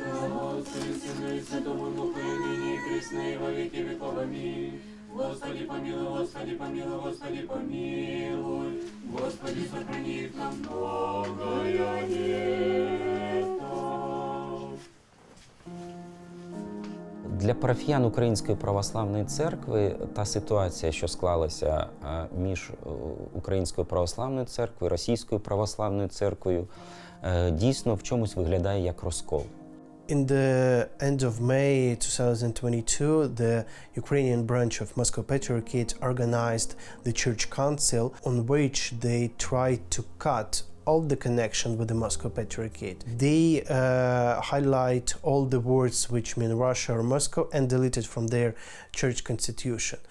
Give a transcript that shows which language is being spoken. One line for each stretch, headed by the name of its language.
Russian: Господи, Сыну и Святому Духу, и ныне и присно, и во веки веков. Аминь. Господи, помилуй, Господи, помилуй, Господи, помилуй. Господи, сохрани их на многое лето.
Ukrainian: для парафіян Української православної церкви та ситуація, що склалася між Українською православною церквою, Російською православною церквою, дійсно в чомусь виглядає як розкол.
English: In the end of May 2022, the Ukrainian branch of Moscow Patriarchate organized the church council on which they tried to cut all the connection with the Moscow Patriarchate. They highlight all the words which mean Russia or Moscow and deleted from their church constitution.